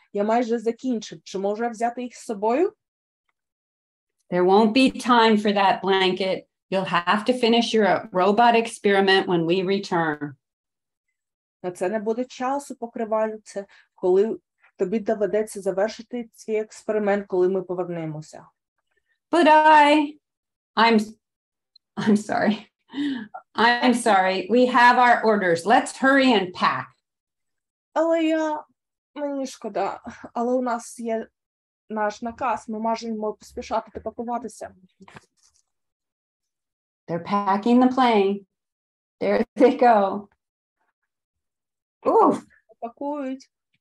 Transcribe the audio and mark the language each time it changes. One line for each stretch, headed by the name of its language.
Ukrainian: Я майже закінчив. Чи можу я взяти їх з собою?
English: There won't be time for that blanket. You'll have to finish your robot experiment when we return.
Ukrainian: На це не буде часу, покривальце, коли тобі доведеться завершити цей експеримент, коли ми повернемося.
English: But I'm sorry. We have our orders. Let's hurry and pack.
Ukrainian: Але я Мені шкода, але у нас є наш наказ. Ми маємо поспішати та пакуватися.
English: They're packing the plane. There they go. Oof.
Ukrainian: Пакують.